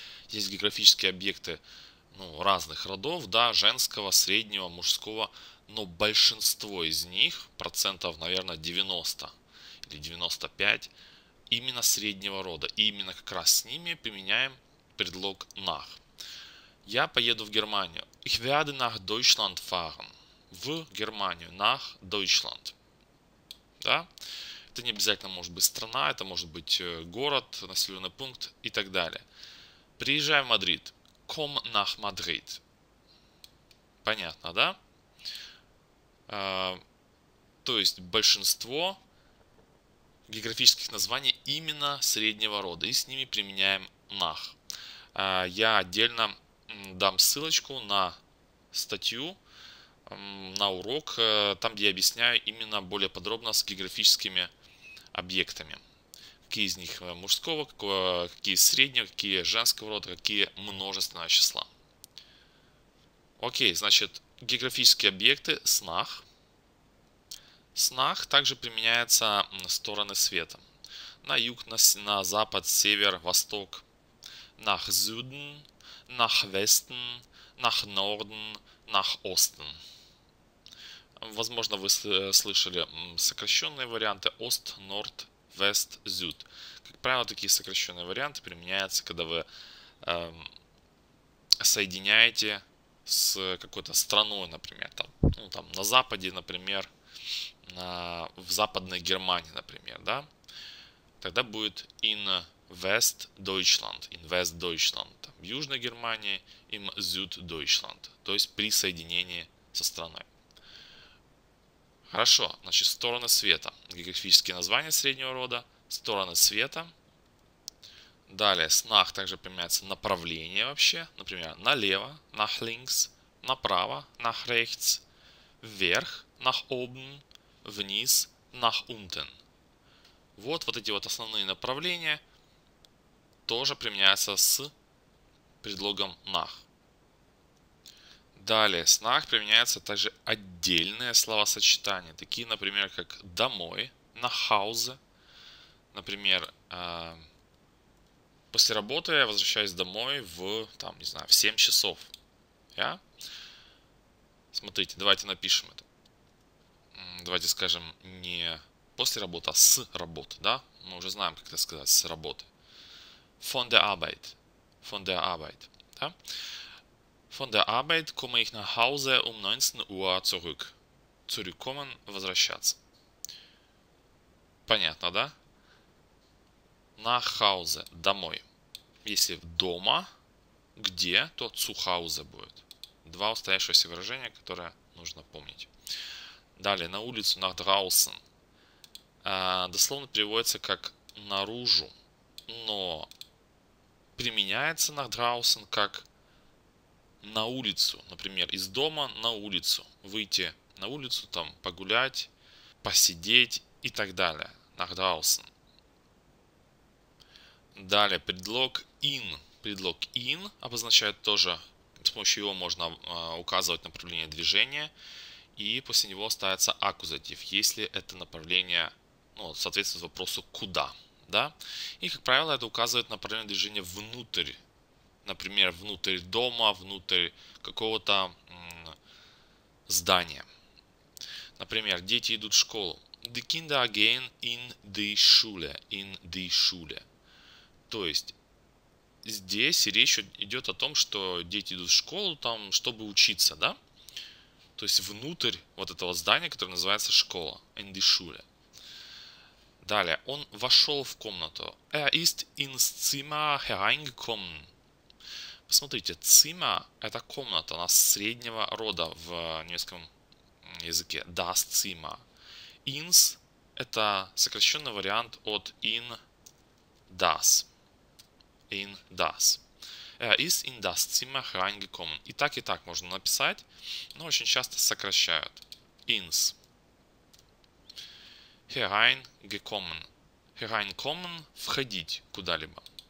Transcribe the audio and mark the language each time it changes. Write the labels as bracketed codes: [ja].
[ru] Есть географические объекты разных родов, да, женского, среднего, мужского, но большинство из них, процентов, наверное, 90 или 95, именно среднего рода. И именно как раз с ними применяем предлог nach. Я поеду в Германию. [de] Ich werde nach Deutschland fahren. [ru] В Германию. [de] Nach Deutschland. [ru] Да? Это не обязательно может быть страна, это может быть город, населенный пункт и так далее. Приезжай в Мадрид. [de] Komm nach Madrid. [ru] Понятно, да? То есть большинство географических названий именно среднего рода. И с ними применяем nach. Я отдельно дам ссылочку на статью, на урок, там, где я объясняю именно более подробно с географическими объектами. Какие из них мужского, какие среднего, какие женского рода, какие множественного числа. Окей, значит, географические объекты, снах. Снах также применяется стороны света. На юг, на запад, север, восток. [de] Nach Süden, nach Westen, nach Norden, nach Osten. [ru] Возможно, вы слышали сокращенные варианты Ост, Норд, Вест, Зюд. Как правило, такие сокращенные варианты применяются, когда вы соединяете с какой-то страной, например. Там, ну, там на Западе, например, в Западной Германии, например. Да? Тогда будет [de] In West Deutschland, In West Deutschland. [ru] Там, в Южной Германии, [de] In Süd Deutschland. [ru] То есть при соединении со страной. Хорошо, значит, стороны света. Географические названия среднего рода. Стороны света. Далее, снах также применяется направление вообще. Например, налево, [de] nach links, [ru] направо, [de] nach rechts, [ru] вверх, [de] nach oben, [ru] вниз, [de] nach unten. [ru] Вот эти вот основные направления тоже применяются с предлогом nach. Далее, снах применяются также отдельные словосочетания, такие, например, как домой, [de] nach Hause. [ru] Например, после работы я возвращаюсь домой в, там, не знаю, в 7 часов. Я? Смотрите, давайте напишем это. Давайте скажем не после работы, а с работы, да? Мы уже знаем, как это сказать, с работы. [de] Von der Arbeit. Von der Arbeit. Да? Von der Arbeit komme ich nach Hause um 19 Uhr zurück. Zurückkommen, возвращаться. [ru] Понятно, да? [de] Nach Hause, домой. [ru] Если дома, где, то [de] zu Hause [ru] будет. Два устоявшиеся выражения, которые нужно помнить. Далее, на улицу, [de] nach draußen. [ru] Дословно переводится как наружу, но применяется [de] nach draußen [ru] как на улицу, например, из дома на улицу. Выйти на улицу, там погулять, посидеть и так далее. [de] Nach draußen. [ru] Далее, предлог in. Предлог in обозначает тоже, с помощью его можно указывать направление движения. И после него ставится аккузатив, если это направление, ну, соответствует вопросу куда. Да? И, как правило, это указывает направление движения внутрь. Например, внутрь дома, внутрь какого-то здания. Например, дети идут в школу. [de] The Kinder gehen in die Schule. In die Schule. [ru] То есть здесь речь идет о том, что дети идут в школу, там, чтобы учиться, да? То есть внутрь вот этого здания, которое называется школа. [de] In die Schule. [ru] Далее, он вошел в комнату. [de] Er ist ins Zimmer hereingekommen. [ru] Посмотрите, Zimmer – это комната, она среднего рода в немецком языке. [de] Das Zimmer. [ru] Ins – это сокращенный вариант от in – das. [de] in das. Ist in das Zimmer reingekommen. [ru] И так можно написать, но очень часто сокращают. [de] Ins. Hereingekommen. [ru] Hereinkommen – входить куда-либо.